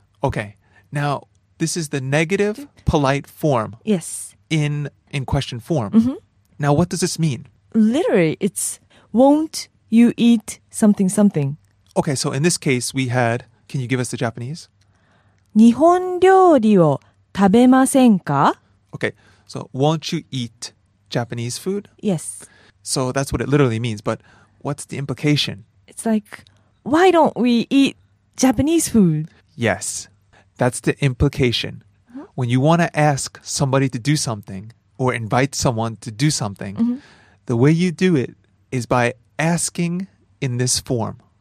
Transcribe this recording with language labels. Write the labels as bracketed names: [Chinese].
[English] Okay. Now, this is the negative polite form. Yes. In question form. Mm-hmm. Now, what does this mean? Literally, it's won't you eat something something. Okay. So in this case, we had, can you give us the Japanese? [Japanese] 日本料理を食べませんか? [English] Okay, so won't you eat Japanese food? Yes. So that's what it literally means, but what's the implication? It's like, why don't we eat Japanese food? Yes, that's the implication. Mm-hmm. When you want to ask somebody to do something or invite someone to do something, the way you do it is by asking in this form.